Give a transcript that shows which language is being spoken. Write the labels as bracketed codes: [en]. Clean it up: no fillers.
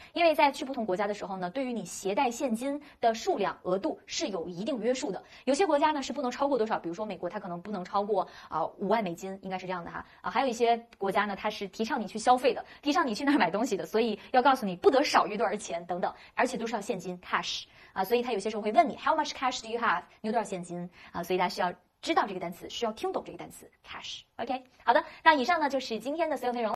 [zh] 因为在去不同国家的时候呢，对于你携带现金的数量额度是有一定约束的。有些国家呢是不能超过多少，比如说美国，它可能不能超过5万美金，应该是这样的哈。还有一些国家呢，它是提倡你去消费的，提倡你去那儿买东西的，所以要告诉你不得少于多少钱等等，而且都是要现金 cash。所以他有些时候会问你 [en] How much cash do you have? [zh] 你有多少现金啊？所以大家需要知道这个单词，需要听懂这个单词 cash。 OK， 好的，那以上呢就是今天的所有内容。